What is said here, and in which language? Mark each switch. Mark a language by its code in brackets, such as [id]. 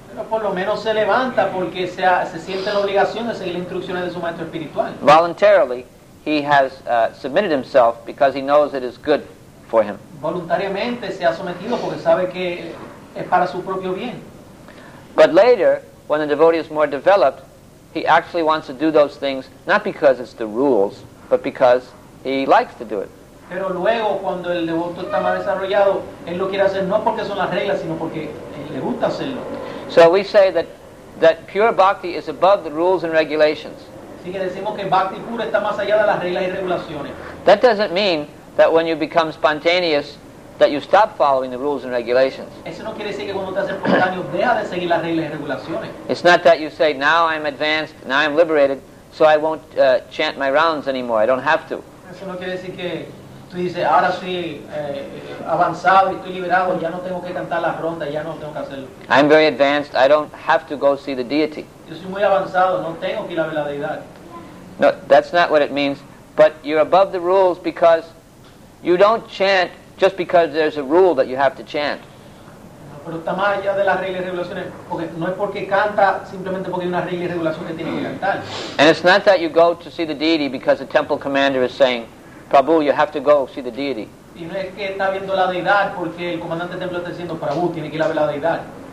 [es] Pero por lo menos se levanta porque se siente la obligación de seguir las instrucciones de su maestro espiritual. [en] Voluntarily he has submitted himself because he knows it is good for him. [es] Voluntariamente se ha sometido porque sabe que es para su propio bien. [en] But later, when the devotee is more developed, he actually wants to do those things not because it's the rules, but because he likes to do it. [es] Pero luego, cuando el devoto está más desarrollado, él lo quiere hacer no porque son las reglas, sino porque le gusta hacerlo. [en] So we say that pure bhakti is above the rules and regulations. [es] Así que decimos que bhakti puro está más allá de las reglas y regulaciones. [en] That doesn't mean that when you become spontaneous that you stop following the rules and regulations. [es] Eso no quiere decir que cuando te haces espontáneo deja de seguir las reglas y regulaciones. [en] It's not that you say, now I'm advanced, now I'm liberated, so I won't chant my rounds anymore, I don't have to. [es] Eso no quiere decir que tú dices, ahora soy avanzado y estoy liberado, ya no tengo que cantar las rondas, ya no tengo que hacerlo. [en] I'm very advanced, I don't have to go see the deity. [es] Yo soy muy avanzado, no tengo que ir a ver la Deidad. [en] No, that's not what it means. But you're above the rules because you don't chant just because there's a rule that you have to chant. [es] Pero está más allá de las reglas y regulaciones, porque no es porque canta simplemente porque hay una regla y regulación que tiene que cantar. [en] And it's not that you go to see the deity because the temple commander is saying, Prabhu, you have to go see the deity. [es] Y no es que está viendo la deidad porque el comandante del templo está diciendo, Prabhu, tiene que ir a ver la deidad.